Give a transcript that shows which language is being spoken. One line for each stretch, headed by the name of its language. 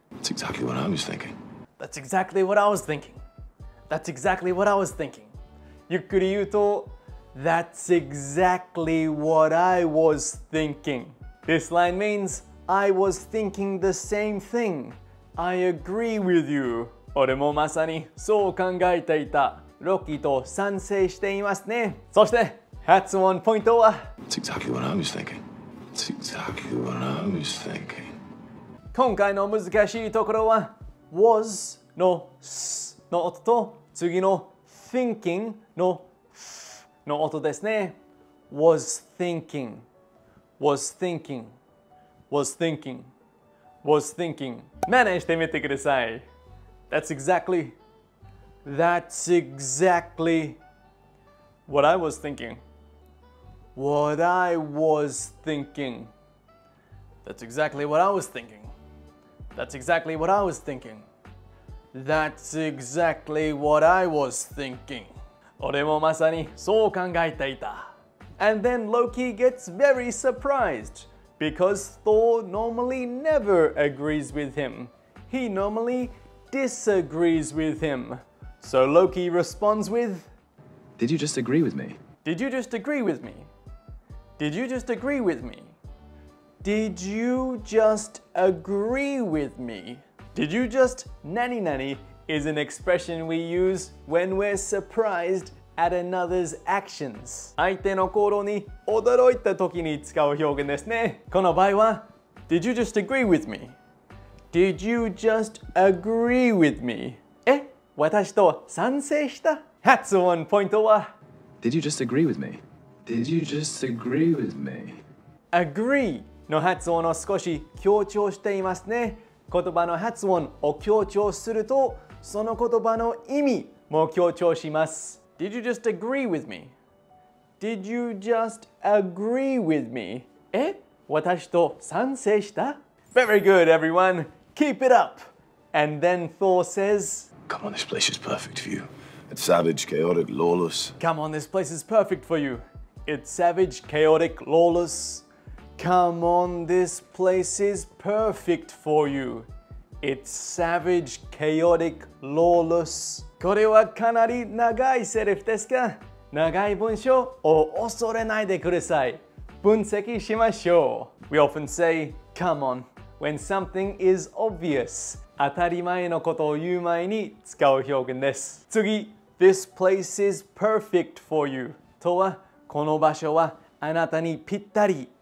English: That's exactly what I was thinking. That's exactly what I was thinking. That's exactly what I was thinking.
Japanese: ゆっくり言うと、
English: That's exactly what I was thinking. This line means, I was thinking the same thing. I agree with you.
Japanese: 俺もまさにそう考えていた。ロキと賛成していますね。そして、
English: That's one point
Japanese: は、
English: That's exactly what I was thinking. That's exactly what I was thinking.
Japanese: 今回の難しいところは、was の s の音と、次の thinking の th の音ですね。
English: was thinking, was thinking, was thinking, was thinking.
Japanese: マネしてみてください。
English: That's exactly, that's exactly what I was thinking. What I was thinking. That's exactly what I was thinking. That's exactly what I was thinking. That's exactly what I was thinking.
Japanese: 俺もまさにそう考えていた。
English: And then Loki gets very surprised because Thor normally never agrees with him. He normally disagrees with him. So Loki responds with, Did you just agree with me? Did you just agree with me? Did you just agree with me? Did you just agree with me? Did you just nanny nanny is an expression we use when we're surprised at another's actions.
Japanese: 相手の行動に驚いた時に使う表現ですね。この場合は、
English: Did you just agree with me? Did you just agree with me?
Japanese: え、私と賛成した?
English: That's one point
Japanese: は、
English: Did you just agree with me? Did you just agree with me? Agree.
Japanese: の発音を少し強調していますね。言葉の発音を強調すると、その言葉の意味も強調します。
English: Did you just agree with me? Did you just agree with me?
Japanese: え?私と賛成した?
English: Very good, everyone. Keep it up. And then Thor says, Come on, this place is perfect for you. It's savage, chaotic, lawless. Come on, this place is perfect for you. It's savage, chaotic, lawless. Come on, this place is perfect for you. It's savage, chaotic, lawless.
Japanese: これはかなり長いセリフですか?長い文章を恐れないでください。分析しましょう。
English: We often say, come on, when something is obvious.
Japanese: 当たり前のことを言う前に使う表現です。
English: 次、this place is perfect for you.
Japanese: とは、この場所はあなたにぴったり。